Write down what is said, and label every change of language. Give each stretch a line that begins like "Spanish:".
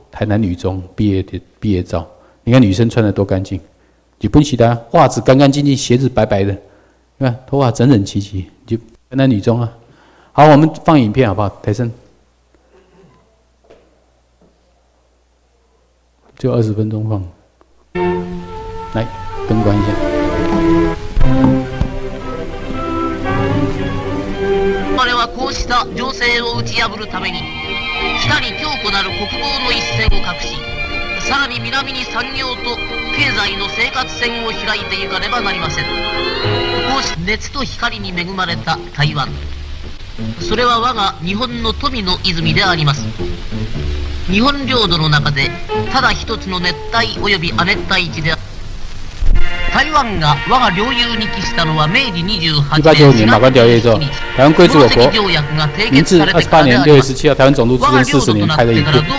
Chinese: 台南女中毕业照，你看女生穿的多干净，日本时代袜子干干净净，鞋子白白的，你看头发整整齐齐，就台南女中啊。好，我们放影片好不好？台生，就20分钟放，来灯关一下。
Japanese: こうした情勢を打ち破るために北に強固なる国防の一線を隠しさらに南に産業と経済の生活線を開いていかねばなりません。こうした熱と光に恵まれた台湾、それは我が日本の富の泉であります。日本領土の中でただ一つの熱帯及び亜熱帯地である台湾が我が領有に帰したのは明治28年
Chinese: 馬關條約之後，台湾归属我国。明治28年6月17日，台湾总督制定40年，拍的一部。